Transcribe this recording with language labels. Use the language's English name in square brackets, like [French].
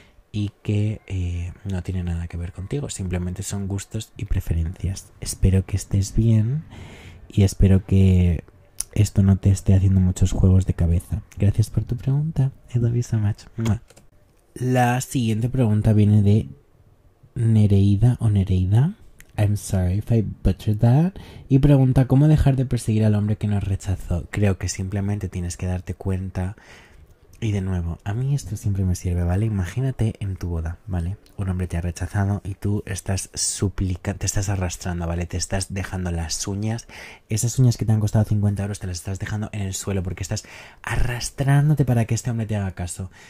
[Spanish] Y que no tiene nada que ver contigo, simplemente son gustos y preferencias. Espero que estés bien y espero que esto no te esté haciendo muchos juegos de cabeza. Gracias por tu pregunta. [English] I love you so much. [Spanish] Mua. La siguiente pregunta viene de Nereida o Nereida. [English] I'm sorry if I butchered that. [Spanish] Y pregunta: ¿cómo dejar de perseguir al hombre que nos rechazó? Creo que simplemente tienes que darte cuenta. Y de nuevo, a mí esto siempre me sirve, ¿vale? Imagínate en tu boda, ¿vale? Un hombre te ha rechazado y tú estás suplicando, te estás arrastrando, ¿vale? Te estás dejando las uñas, esas uñas que te han costado 50 euros, te las estás dejando en el suelo porque estás arrastrándote para que este hombre te haga caso.